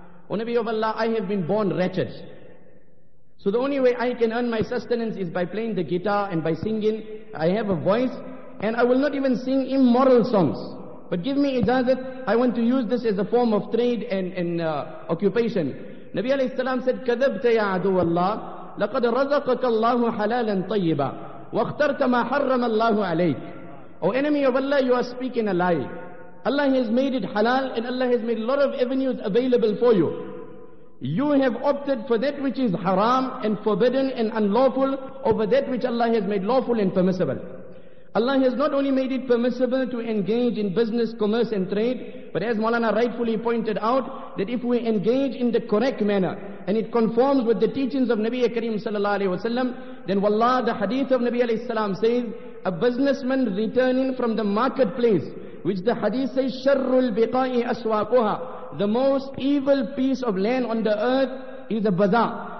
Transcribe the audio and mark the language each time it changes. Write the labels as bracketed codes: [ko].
[en] O Nabi of Allah, I have been born wretched. So the only way I can earn my sustenance is by playing the guitar and by singing. I have a voice and I will not even sing immoral songs. But give me ijazat, I want to use this as a form of trade and occupation. Nabi alayhi salam said, [ar] كَذَبْتَ يَا عَدُوَ اللَّهِ لَقَدْ رَزَقَكَ اللَّهُ حَلَالًا طَيِّبًا وَاخْتَرْتَ مَا حَرَّمَ اللَّهُ عَلَيْكَ. [en] O enemy of Allah, you are speaking a lie. Allah has made it halal and Allah has made a lot of avenues available for you. You have opted for that which is haram and forbidden and unlawful over that which Allah has made lawful and permissible. Allah has not only made it permissible to engage in business, commerce and trade, but as Maulana rightfully pointed out, that if we engage in the correct manner and it conforms with the teachings of Nabi Kareem Sallallahu Alaihi Wasallam, then wallah, the hadith of Nabi Alaihi Salam says, a businessman returning from the marketplace, which the hadith says, [ar] شَرُّ الْبِقَاءِ أَسْوَاقُهَا, [en] the most evil piece of land on the earth is a bazaar.